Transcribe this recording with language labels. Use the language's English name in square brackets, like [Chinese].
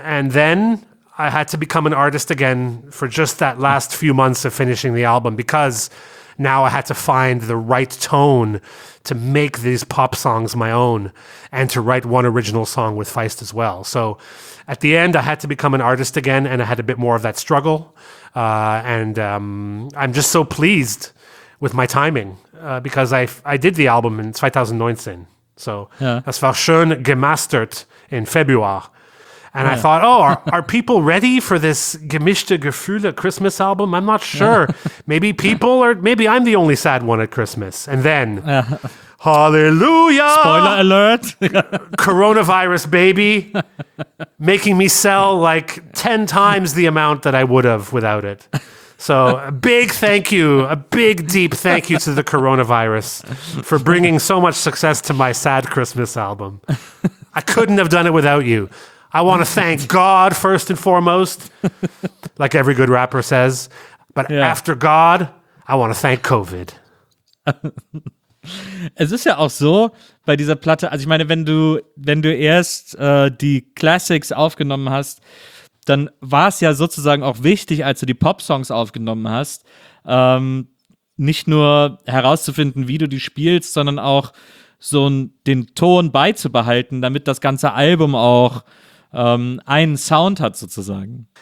[English] And then I had to become an artist again for just that last few months of finishing the album, because now I had to find the right tone to make these pop songs my own and to write one original song with Feist as well. So at the end, I had to become an artist again, and I had a bit more of that struggle. And I'm just so pleased with my timing because I did the album in 2019. [German] So das war schön gemastert in Februar. [English] And I thought, oh, are people ready for this [German] gemischte Gefühle [English] Christmas album? I'm not sure. Maybe people are, maybe I'm the only sad one at Christmas. And then, hallelujah! Spoiler alert! Coronavirus baby, making me sell like 10 times the amount that I would have without it. So a big thank you, a big deep thank you to the coronavirus for bringing so much success to my sad Christmas album. I couldn't have done it without you. I want to thank God first and foremost, like every good rapper says. But after God, I want to thank COVID. [German] Es ist ja auch so bei dieser Platte, also ich meine, wenn du erst die Classics aufgenommen hast, dann war es ja sozusagen auch wichtig, als du die Pop-Songs aufgenommen hast, nicht nur herauszufinden, wie du die spielst, sondern auch so den Ton beizubehalten, damit das ganze Album auch einen Sound hat sozusagen.